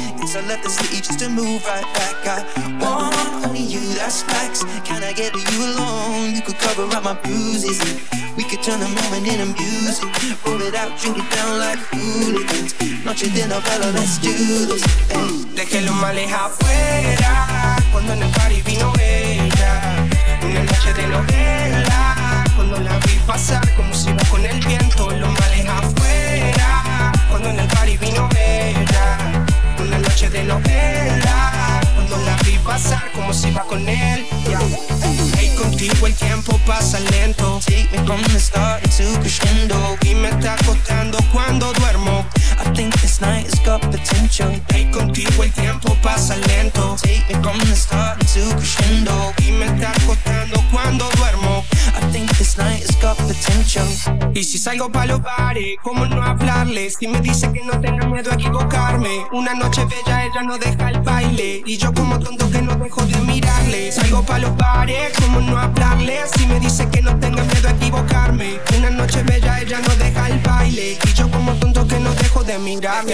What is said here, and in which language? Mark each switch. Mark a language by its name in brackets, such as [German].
[English] Guess I left the city just to move right back. I want only you, that's facts. Can I get you alone? You could cover up my bruises. We could turn the moment into music. Pour it out, drink it down like hooligans. Not your dinner, fella, let's do this. [Spanish] Dejé los males afuera. Cuando en el party vino ella. Una noche de novela. Cuando la vi pasar como si iba con el viento. Los males afuera. Cuando en el party vino ella. Una noche de novela. Cuando la vi pasar como si iba con él. Yeah. Hey, contigo el tiempo pasa lento. [English] Take me from the start to crescendo. [Spanish] Y me está costando cuando duermo. [English] I think this night has got potential. [Spanish] Hey, contigo el tiempo pasa lento. [English] Take me from the start to crescendo. [Spanish] Y me está costando cuando duermo. [English] I think this night has got potential. [Spanish] Y si salgo pa' los bares, ¿cómo no hablarle? Si me dice que no tenga miedo a equivocarme. Una noche bella, ella no deja el baile. Y yo como tonto que no dejo de mirarle. Salgo pa' los bares, ¿cómo no hablarle? Si me dice que no tenga miedo a equivocarme. Una noche bella, ella no deja el baile. Y yo como tonto que no dejo de mirarle.